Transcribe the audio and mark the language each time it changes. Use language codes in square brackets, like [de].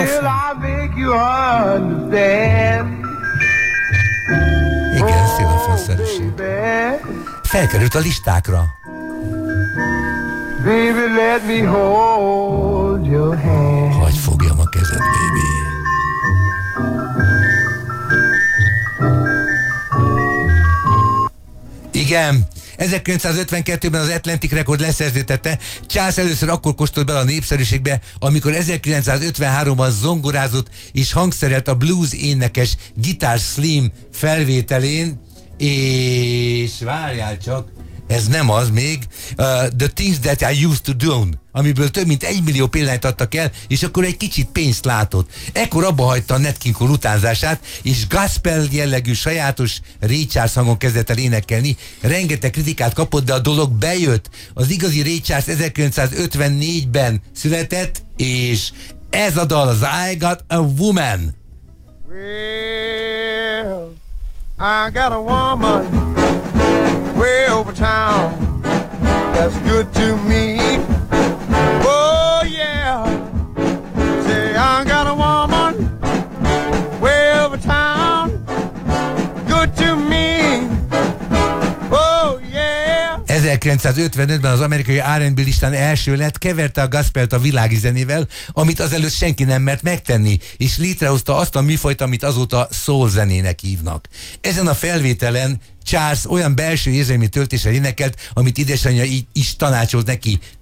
[en] Until I make you understand. [hu] Igen, Xylophone-szerűség. Felkerült a listákra. [en] Baby, let me hold your hand. [hu] Hagy fogjam a kezed, baby. Igen, 1952-ben az Atlantic Record leszerződtette, Charles először akkor kóstolt bele a népszerűségbe, amikor 1953-ban zongorázott és hangszerelt a blues énekes Guitar Slim felvételén, és várjál csak, ez nem az még, The Things That I Used To Do, amiből több mint 1 millió példányt adtak el, és akkor egy kicsit pénzt látott. Ekkor abba hagyta a Nat King Cole utánzását, és gospel jellegű sajátos Ray Charles hangon kezdett el énekelni. Rengeteg kritikát kapott, de a dolog bejött. Az igazi Ray Charles 1954-ben született, és ez a dal az I Got A Woman. [en] Well, I got a woman way over town that's good to me. Oh yeah, say I got a woman way over town, good to me. Oh yeah. [hu] 1955-ben az amerikai R&B listán első lett, keverte a gospelt a világi zenével, amit azelőtt senki nem mert megtenni, és létrehozta azt a műfajt, amit azóta soul zenének hívnak. Ezen a felvételen Charles olyan belső érzelmi töltéssel énekelt, amit édesanyja is tanácsolt neki.